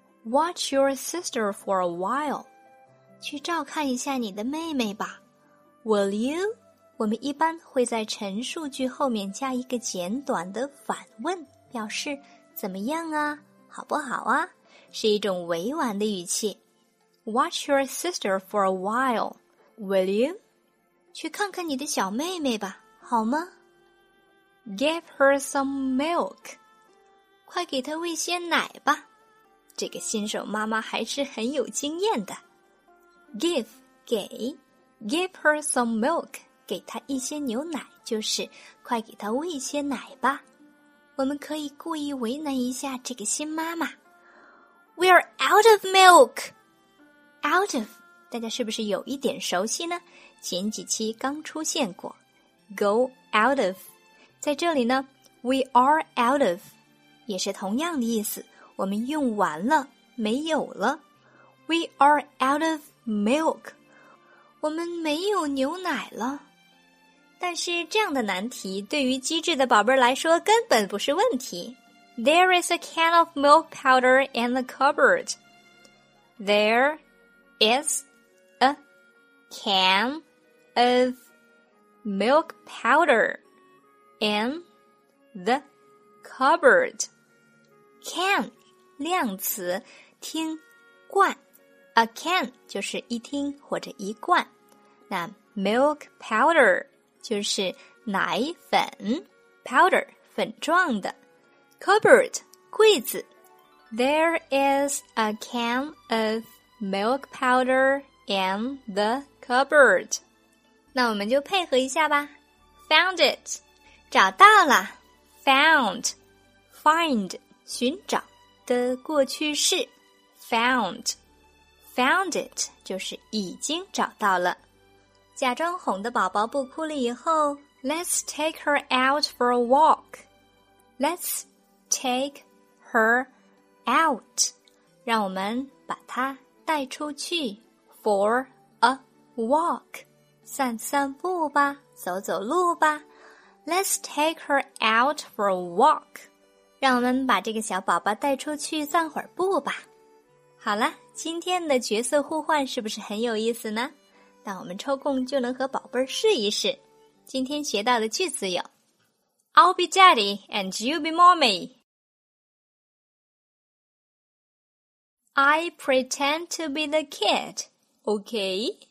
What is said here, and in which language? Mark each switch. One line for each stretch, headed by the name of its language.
English: Watch your sister for a while.
Chinese: 去照看一下你的妹妹吧。
English: Will you?
Chinese: 我们一般会在陈述句后面加一个简短的反问，表示怎么样啊，好不好啊，是一种委婉的语气。
English: Watch your sister for a while. Will you?
Chinese: 去看看你的小妹妹吧，好吗？
English: Give her some milk.
Chinese: 快给她喂些奶吧。这个新手妈妈还是很有经验的。
English: Give,
Chinese: 给。
English: Give her some milk,
Chinese: 给她一些牛奶，就是快给她喂些奶吧。我们可以故意为难一下这个新妈妈。
English: We're out of milk. Out of,
Chinese: 大家是不是有一点熟悉呢？前几期刚出现过。
English: Go out of.
Chinese: 在这里呢 ,
English: we are out of,
Chinese: 也是同样的意思，我们用完了，没有了。
English: We are out of milk,
Chinese: 我们没有牛奶了。但是这样的难题对于机智的宝贝来说根本不是问题。
English: There is a can of milk powder in the cupboard. There is a can of milk powder. In the cupboard. Can,
Chinese: 量词，听，罐。
English: A can,
Chinese: 就是一听或者一罐。那 milk powder, 就是奶粉。
English: Powder,
Chinese: 粉状的。
English: Cupboard,
Chinese: 柜子。
English: There is a can of milk powder in the cupboard.
Chinese: 那我们就配合一下吧。
English: found it.
Chinese: 找到了。
English: Found. Find.
Chinese: 寻找的过去式。
English: Found. Found it.
Chinese: 就是已经找到了。假装哄得宝宝不哭了以后。
English: Let's take her out for a walk. Let's take her out.
Chinese: 让我们把她带出去。
English: For a walk.
Chinese: 散散步吧，走走路吧。
English: Let's take her out for a walk.
Chinese: 让我们把这个小宝宝带出去散会儿步吧。好了，今天的角色互换是不是很有意思呢？那我们抽空就能和宝贝儿试一试。今天学到的句子有
English: I'll be daddy and you be mommy. I pretend to be the kid, okay?